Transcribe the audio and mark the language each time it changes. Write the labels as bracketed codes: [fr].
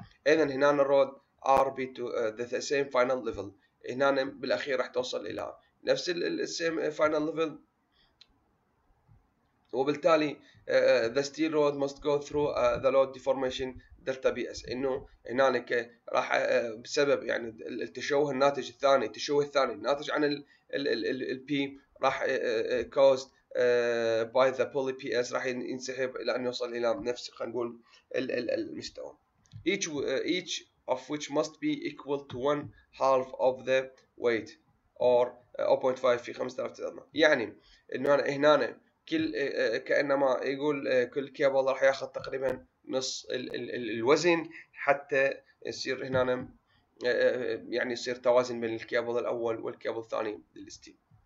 [ar] اذا هنا الرود ار بي تو ذا سيم فاينل ليفل، هنا بالاخير راح توصل الى نفس السيم فاينل ليفل، وبالتالي [en] the steel rod must go through the load deformation delta bs. [ar] انه هنا راح بسبب يعني التشوه الناتج الثاني، التشوه الثاني الناتج عن ال P راح [en] caused by the poly PS [ar] راح ينسحب الى ان يوصل الى نفس خلينا نقول المستوى. [en] Each of which must be equal to one half of the weight or 0.5 في 5000. [ar] يعني انه هنا كل كانما يقول كل كيبل راح ياخذ تقريبا نص الوزن حتى يصير هنا يعني يصير توازن بين الكيبل الاول والكيبل الثاني للستيل.